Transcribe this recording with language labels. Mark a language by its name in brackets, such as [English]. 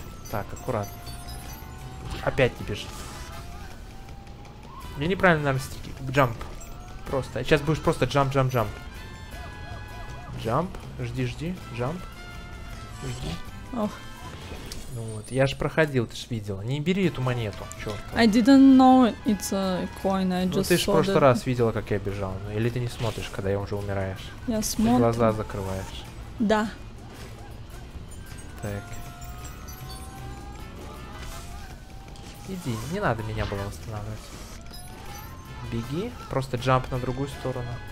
[Russian] Так, аккуратно. Опять не бежит. Мне неправильно, наверное, стики. Джамп. Просто. Сейчас будешь просто джамп-джамп-джамп. Джамп. Жди-жди. Джамп. Жди. Ох. Ну вот, я же проходил, ты ж видела. Не бери эту монету, черт. [English] I didn't know it's a coin, I just saw. [Russian] Ну ты ж в прошлый раз видела, как я бежал. Или ты не смотришь, когда я уже умираешь? Я смотрю. Глаза закрываешь. Да. Так. Иди, не надо меня было восстанавливать. Беги, просто джамп на другую сторону.